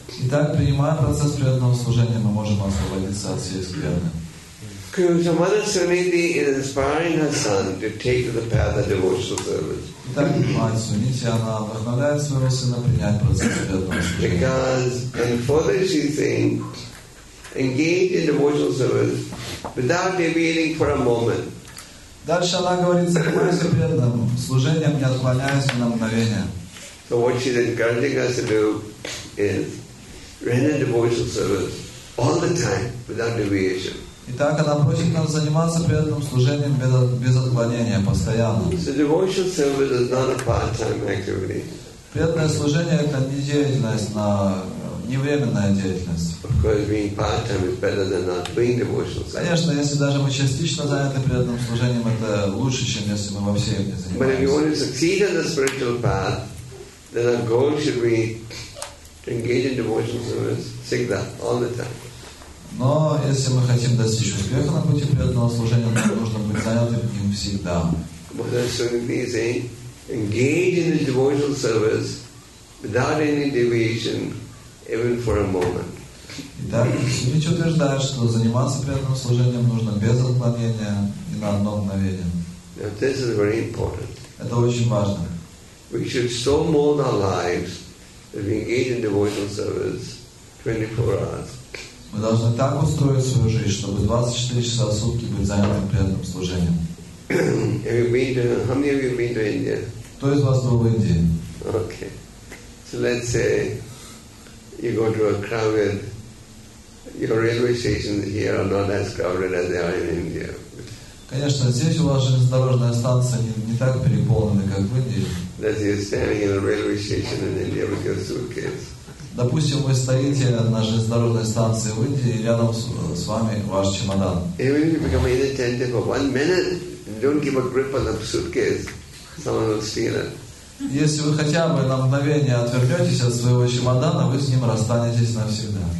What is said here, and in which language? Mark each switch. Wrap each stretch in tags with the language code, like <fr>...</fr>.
<ru>Итак, принимая процесс преданного служения, мы можем освободиться от всей скверны.</ru> <en>Because Mother Suniti is inspiring her son to take to the path of devotional service.</en> <ru>Итак, мать Сунити, она вдохновляет своего сына принять процесс преданного служения.</ru> <en>Because and further she thinks, engage in devotional service without deviating for a moment.</en> <ru>Дальше она говорит, занимаясь преданным служением, не отклоняясь на мгновение.</ru> <en>So what she's encouraging us to do is render devotional service all the time without deviation.</en> <ru>Итак, она просит нас заниматься преданным служением без отклонения, постоянно.</ru> <en>So devotional service is not a part-time activity.</en> <ru>Преданное служение это не деятельность, на не временная деятельность.</ru> <en>Of course, being part-time is better than not being devotional service.</en> <ru>Конечно, если даже мы частично заняты преданным служением, это лучше, чем если мы вовсе не занимаемся.</ru> <en>But if you want to succeed in the spiritual path, then our goal should be to engage in devotional service, sikha, all the time.</en> <ru>Но если мы хотим достичь успеха на пути преданного служения, нам нужно быть занятым им всегда.</ru> <en>But as soon as we say, engage in the devotional service without any deviation, even for a moment.</en> <ru>Итак, Сумич утверждает, что заниматься преданным служением нужно без отклонения и на одно мгновение.</ru> <en>Now, this is very important.</en> <ru>Это очень важно.</ru> <en>We should so mold our lives that we engage in devotional service 24 hours.</en> <ru>Мы должны так устроить свою жизнь, чтобы 24 часа в сутки быть занятым преданным служением.</ru> <en>Have you been to, how many of you have been to India?</en> <ru>Кто из вас был в Индии?</ru> <en>Okay. So let's say you go to a crowded, your railway stations here are not as crowded as they are in India.</en> <ru>Конечно, здесь у вас железнодорожная станция не так переполнена, как в Индии.</ru> <en>Let's say you're standing in a railway station in India with your suitcase.</en> <ru>Допустим, вы стоите на железнодорожной станции в Индии, и рядом с вами ваш чемодан.</ru> <en>Even if you become inattentive for 1 minute, don't give a grip on the suitcase, someone will steal it.</en> <ru>Если вы хотя бы на мгновение отвернетесь от своего чемодана, вы с ним расстанетесь навсегда.</ru>